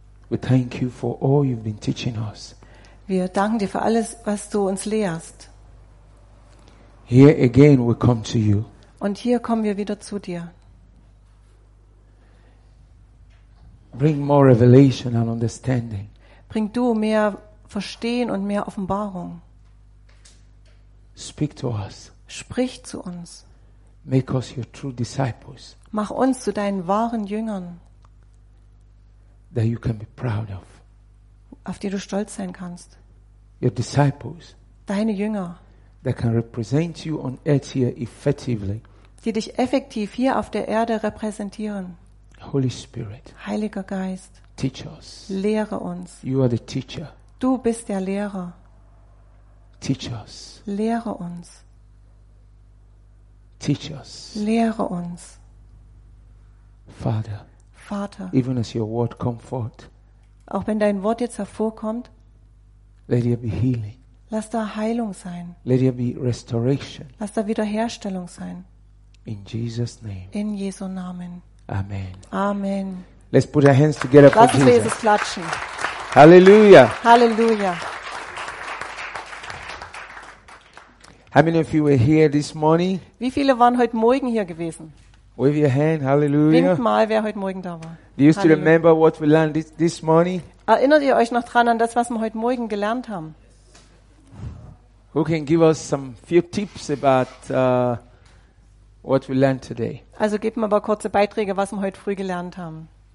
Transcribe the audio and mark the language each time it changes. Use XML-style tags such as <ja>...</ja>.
<en>We thank you for all you've been teaching us.</en> <de>Wir danken dir für alles, was du uns lehrst.</de> <en>Here again we come to you.</en> <de>Und hier kommen wir wieder zu dir.</de> <en>Bring more revelation and understanding.</en> <de>Bring du mehr Verstehen und mehr Offenbarung.</de> <en>Speak to us.</en> <de>Sprich zu uns.</de> <en>Make us your true disciples.</en> <de>Mach uns zu deinen wahren Jüngern.</de> <en>That you can be proud of.</en> <de>Auf die du stolz sein kannst.</de> <en>Your disciples.</en> <de>Deine Jünger.</de> <en>That can represent you on earth here effectively.</en> <de>Die dich effektiv hier auf der Erde repräsentieren.</de> <en>Holy Spirit.</en> <de>Heiliger Geist.</de> <en>Teach us.</en> <de>Lehre uns.</de> <en>You are the teacher.</en> <de>Du bist der Lehrer.</de> <en>Teach us.</en> <de>Lehre uns.</de> <en>Teach us.</en> <de>Lehre uns.</de> <en>Father.</en> <de>Vater.</de> <en>Even as your word come forth.</en> <de>Auch wenn dein Wort jetzt hervorkommt.</de> <en>Let there be healing.</en> <de>Lass da Heilung sein.</de> <en>Let there be restoration.</en> <de>Lass da Wiederherstellung sein.</de> <en>In Jesus name.</en> <de>In Jesu Namen. Amen. Amen.</de> <en>Let's put our hands together for Jesus.</en> <de>Lass uns Jesus klatschen. Hallelujah. Hallelujah.</de> <en>How many of you were here this morning?</en> <de>Wie viele waren heute Morgen hier gewesen?</de> <en>Wave your hand. Hallelujah.</en> <de>Wink mal, wer heute Morgen da war.</de> <en>Do you still remember what we learned this morning?</en> <de>Erinnert ihr euch noch dran an das, was wir heute Morgen gelernt haben?</de> <en>Who can give us some few tips about what we learned today?</en> <de>Also gebt mir mal kurze Beiträge, was wir heute früh gelernt haben.</de>